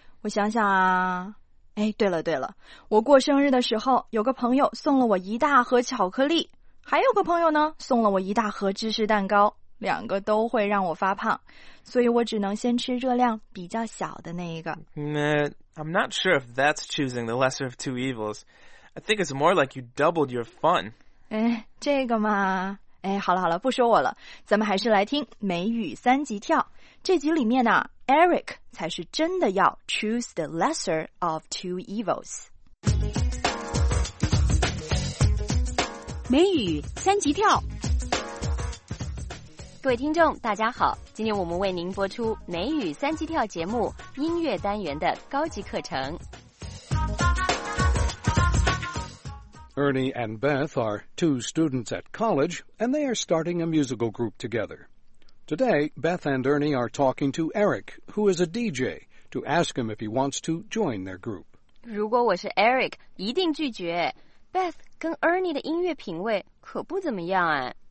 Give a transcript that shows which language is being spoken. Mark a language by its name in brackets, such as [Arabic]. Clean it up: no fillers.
[Chinese] 我想想啊，哎，对了，我过生日的时候，有个朋友送了我一大盒巧克力，还有个朋友呢，送了我一大盒芝士蛋糕，两个都会让我发胖，所以我只能先吃热量比较小的那一个。 [English] I'm not sure if that's choosing the lesser of two evils. I think it's more like you doubled your fun. [Chinese] 哎，这个嘛，哎，好了，不说我了，咱们还是来听美语三级跳。这集里面呢、啊、Eric 才是真的要 [English] choose the lesser of two evils。 [Chinese] 美语三级跳。各位听众大家好，今天我们为您播出美语三级跳节目音乐单元的高级课程。 [English] Ernie and Beth are two students at college and they are starting a musical group togetherToday, Beth and Ernie are talking to Eric, who is a DJ, to ask him if he wants to join their group. [Chinese] 如果我是 Eric, 一定拒绝。Beth 跟 Ernie 的音乐品味可不怎么样啊。